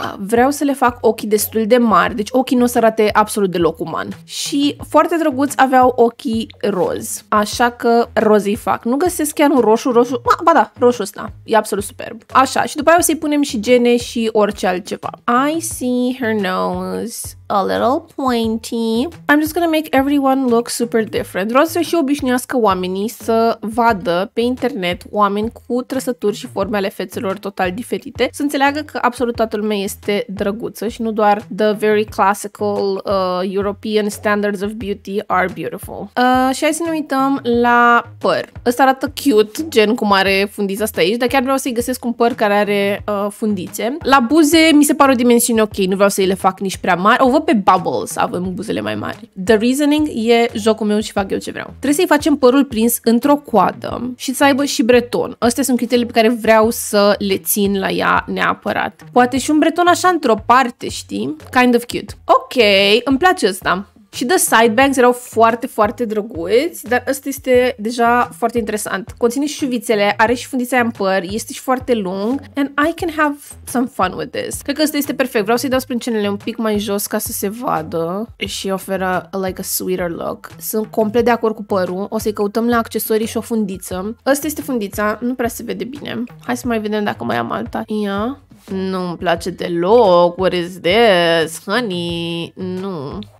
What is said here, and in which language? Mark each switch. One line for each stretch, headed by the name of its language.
Romanian: Vreau să le fac ochii destul de mari, deci ochii nu o să arate absolut deloc uman. Și foarte drăguți aveau ochii roz, așa că rozii fac. Nu găsesc chiar un roșu, ba da, roșu ăsta, e absolut superb. Așa, și după aia o să-i punem și gene și orice altceva.
English: I see her nose a little pointy. I'm just gonna make everyone look super different.
Romanian: Vreau să și obișnuiască oamenii să vadă pe internet oameni cu trăsături și forme ale fețelor total diferite, să înțeleagă că absolut toată lumea este drăguță și nu doar
English: the very classical European standards of beauty are beautiful.
Romanian: Și hai să ne uităm la păr. Ăsta arată cute, gen cum are fundița asta aici, dar chiar vreau să-i găsesc un păr care are fundițe. La buze mi se par o dimensiune ok, nu vreau să-i le fac nici prea mari. O văd pe Bubbles, avem buzele mai mari.
English: The reasoning
Romanian: e jocul meu și fac eu ce vreau. Trebuie să-i facem părul prins într-o coadă și să aibă și breton. Astea sunt criteriile pe care vreau să le le țin la ea neapărat. Poate și un breton așa într-o parte, știi?
English: Kind of cute.
Romanian: Ok, îmi place ăsta. Și
English: the side bags
Romanian: erau foarte, foarte drăguți, dar ăsta este deja foarte interesant. Conține și șuvițele, are și fundița aia în păr, este și foarte lung.
English: And I can have some fun with this.
Romanian: Cred că ăsta este perfect. Vreau să-i dau sprâncenele un pic mai jos ca să se vadă și oferă
English: like a sweeter look.
Romanian: Sunt complet de acord cu părul. O să-i căutăm la accesorii și o fundiță. Ăsta este fundița, nu prea se vede bine. Hai să mai vedem dacă mai am alta. Ia. Nu-mi place deloc,
English: what is this, honey,
Romanian: nu.